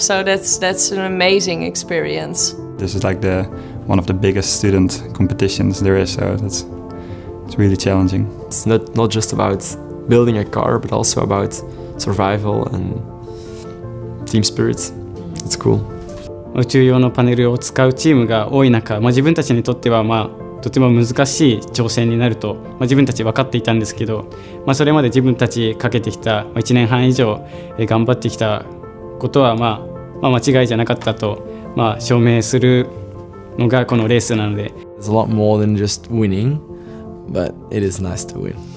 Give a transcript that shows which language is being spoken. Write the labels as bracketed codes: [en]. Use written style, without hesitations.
[en] So that's an amazing experience. This is like one of the biggest student competitions there is. So it's really challenging. It's not just about building a car, but also about survival and team spirits. It's cool. [ja] 宇宙用のパネルを使うチームが多い中、自分たちにとってはとても難しい挑戦になると、自分たち分かっていたんですけど、それまで自分たちかけてきた、1年半以上、頑張ってきたことは、間違いじゃなかったと、証明するのがこのレースなので。 [en] It's a lot more than just winning, but it is nice to win.